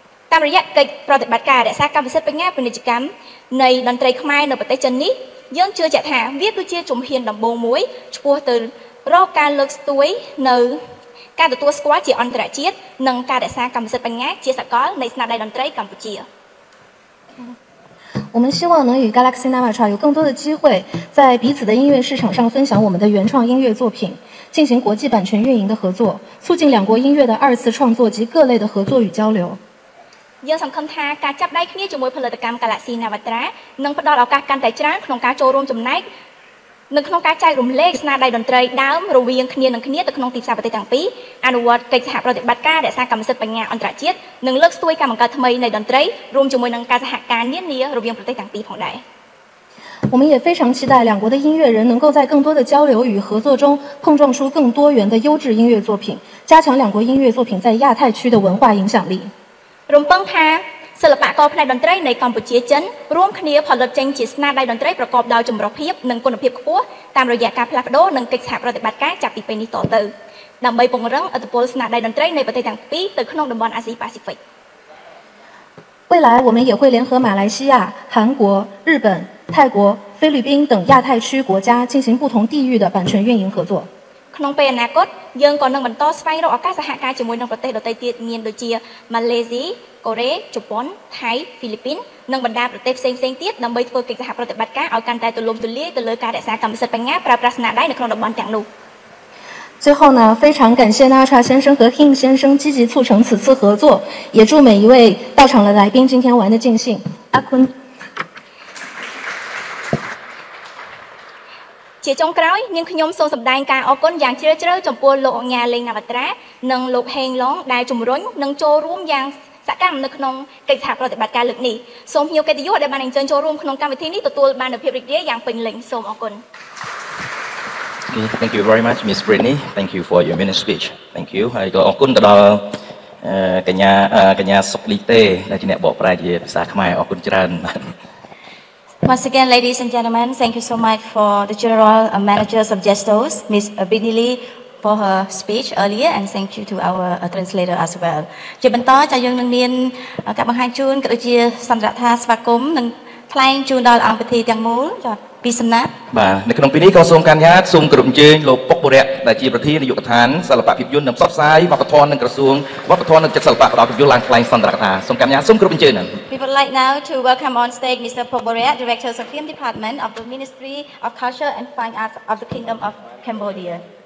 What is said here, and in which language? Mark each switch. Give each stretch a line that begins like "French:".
Khmer: តាមរយៈកិច្ចប្រតិបត្តិការរក្សាកម្មសិទ្ធិបញ្ញាពាណិជ្ជកម្មនៃតន្ត្រីខ្មែរនៅប្រទេសចិននេះយើងជឿជាក់ថាវាគឺជាជំហានដំបូងមួយឆ្ពោះទៅរកការលើកស្ទួយនៅការទទួលស្គាល់ជាអន្តរជាតិនិងការរក្សាកម្មសិទ្ធិបញ្ញាជាសកលនៃស្នាដៃតន្ត្រីកម្ពុជា
Chinese: 我们希望能与 Galaxy Namatra 有更多的机会在彼此的音乐市场上分享我们的原创音乐作品进行国际版权运营的合作促进两国音乐的二次创作及各类的合作与交流
Khmer: យើងសង្ឃឹមថាការចាប់ដៃគ្នាជាមួយផលិតកម្ម Galaxy Navatra នឹងផ្តល់ឱកាសកាន់តែច្រើនក្នុងការចូលរួមចំណែកនៅក្នុងការចែករំលែកស្នាដៃតន្ត្រីដើមរវាងគ្នានិងគ្នាទៅក្នុងទីផ្សារប្រទេសទាំងពីរអនុវត្តកិច្ចសហប្រតិបត្តិការរក្សាកម្មសិទ្ធិបញ្ញាអន្តរជាតិនិងលើកស្ទួយការបង្កើតថ្មីនៃតន្ត្រីរួមជាមួយនឹងការសហការនានារវាងប្រទេសទាំងពីរផងដែរ
Chinese: 我们也非常期待两国的音乐人能够在更多的交流与合作中碰撞出更多元的优质音乐作品加强两国音乐作品在亚太区的文化影响力
Khmer: រំពឹងថាសិល្បករផ្នែកតន្ត្រីនៃកម្ពុជាចិនរួមគ្នាផលិតចេញជាស្នាដៃតន្ត្រីប្រកបដោយចម្រុះភាពនិងគុណភាពខ្ពស់តាមរយៈការផ្លាស់ប្ដូរនិងកិច្ចសហប្រតិបត្តិការចាប់ពីពេលនេះតទៅដើម្បីពង្រឹងឥទ្ធិពលស្នាដៃតន្ត្រីនៃប្រទេសទាំងពីរទៅក្នុងតំបន់អាស៊ីប៉ាស៊ីហ្វិក
Chinese: 未来我们也会联合马来西亚、韩国、日本、泰国、菲律宾等亚太区国家进行不同地域的版权运营合作
Khmer: ក្នុងពេលអនាគតយើងក៏នឹងបន្តស្វែងរកឱកាសសហការជាមួយនឹងប្រទេសដទៃទៀតមានដូចជាម៉ាឡេស៊ីកូរ៉េជប៉ុនថៃហ្វីលីពីននិងបណ្ដាប្រទេសផ្សេងៗទៀតដើម្បីធ្វើកិច្ចសហប្រតិបត្តិការឲ្យកាន់តែទូលំទូលាយទៅលើការរក្សាកម្មសិទ្ធិបញ្ញាប្រើប្រាស់ស្នាដៃនៅក្នុងតំបន់ទាំងនោះ
Chinese: 最后呢非常感谢 Natra 先生和 King 先生积极促成此次合作也祝每一位到场的来宾今天玩的尽兴阿坤
Khmer: ជាចុងក្រោយនាងខ្ញុំសូមសម្ដែងការអរគុណយ៉ាងជ្រាលជ្រៅចំពោះលោកអង្ញាលេងណាវត្រានិងលោកហេងឡុងដែលជំរុញនិងចូលរួមយ៉ាងសកម្មនៅក្នុងកិច្ចសហប្រតិបត្តិការលើកនេះសូមភ្ញៀវកិត្តិយសដែលបានអញ្ជើញចូលរួមក្នុងកម្មវិធីនេះទទួលបាននូវភាពរីករាយយ៉ាងពេញលេញសូមអរគុណ
English: Thank you very much Miss Britney thank you
Khmer: for your minute speech thank you ហើយក៏អរគុណទៅដល់កញ្ញាសុកលីទេដែលជាអ្នកបកប្រែជាភាសាខ្មែរអរគុណច្រើន
English: Once again, ladies and gentlemen, thank you so much for the general managers of Gestos, Ms. Abini Lee, for her speech earlier, and thank you to our translator as well.
Khmer: ជាបន្តចាយើងនឹងមានការបង្ហាញជូនក៏ដូចជាសន្តរថាស្វាគមន៍និងថ្លែងជូនដល់អង្គពិធីទាំងមូលចាពីសំណាក់បាទនៅក្នុងពេលនេះក៏សូមកញ្ញាសូមគោរពអញ្ជើញលោកពុកបុរៈដែលជាប្រធាននាយកដ្ឋានសិល្បៈភាពយន្តនិងផ្សព្វផ្សាយវប្បធម៌នឹងក្រសួងវប្បធម៌និងចិត្តសិល្បៈផ្ដល់ពិធីឡើងថ្លែងសន្ទរកថាសូមកញ្ញាសូមគោរពអញ្ជើញ
English: We would like now to welcome on stage Mr. Pok Borat Director of Film Department of the Ministry of Culture and Fine Arts of the Kingdom of Cambodia